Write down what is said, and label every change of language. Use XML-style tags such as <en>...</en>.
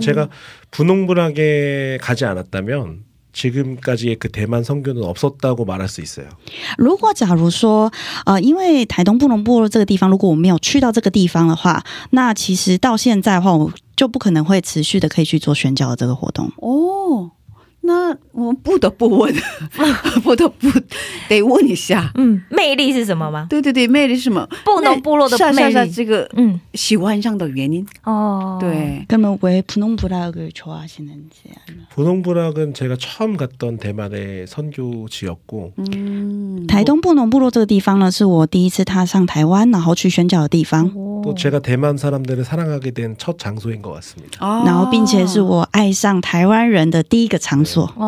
<ko>제가 분홍부락에 가지 않았다면 지금까지의 그 대만 선교는 없었다고 말할 수 있어요.</ko> <zh>如果假如说，因为台东布农部落这个地方，如果我没有去到这个地方的话，那其实到现在的话，我就不可能会持续的可以去做宣教这个活动。 오, 那我们不得不问，不得不得问一下，嗯，魅力是什么吗？对对对，魅力是什么？布农部落的魅力，喜欢上的原因。哦，对，那么为布农部落而去，喜欢的。布农部落은</zh> <ko>제가 처음 갔던 대만의 선교지였고,</ko> <zh>台东布农部落这个地方呢，是我第一次踏上台湾，然后去宣教的地方。또</zh> <ko>제가 대만 사람들을 사랑하게 된 첫 장소인 것 같습니다.</ko> <zh>然后并且是我爱上台湾人的第一个场所。</zh>